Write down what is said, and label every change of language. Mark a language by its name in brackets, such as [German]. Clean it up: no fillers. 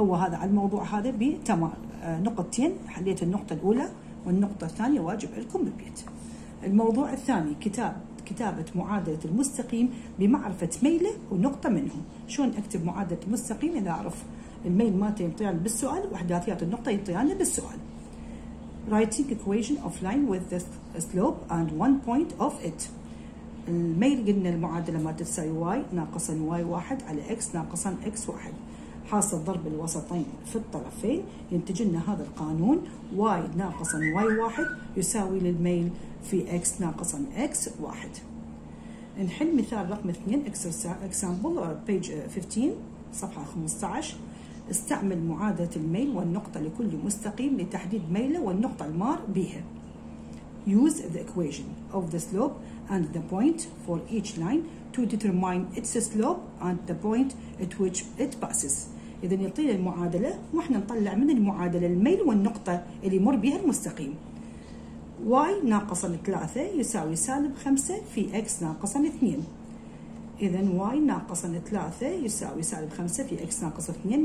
[Arabic] هو هذا على الموضوع هذا بنقطتين، حليت النقطة الأولى والنقطة الثانية واجب لكم بالبيت. الموضوع الثاني كتابة معادلة المستقيم بمعرفة ميله ونقطة منه. شلون أكتب معادلة المستقيم إذا أعرف الميل ما تيطيان بالسؤال وإحداثيات النقطة يطيان بالسؤال. [English] Writing equation of line with the slope and one point of it. [Arabic] الميل قلنا المعادلة ما تساوي y ناقصا y1 على x ناقصا x1. حاصل ضرب الوسطين في الطرفين ينتج لنا هذا القانون y ناقصا y1 يساوي للميل في x ناقصا x1. نحل مثال رقم 2 [English] example page 15 [Arabic] صفحة 15. استعمل معادلة الميل والنقطة لكل مستقيم لتحديد ميله والنقطة المار بها. [English] Use the equation of the slope and the point for each line to determine its slope and the point at which it passes. [Arabic] إذا يعطينا المعادلة واحنا نطلع من المعادلة الميل والنقطة اللي يمر بها المستقيم. y ناقصا 3 يساوي -5 في x ناقصا 2. إذا y ناقصا 3 يساوي -5 في x ناقص 2.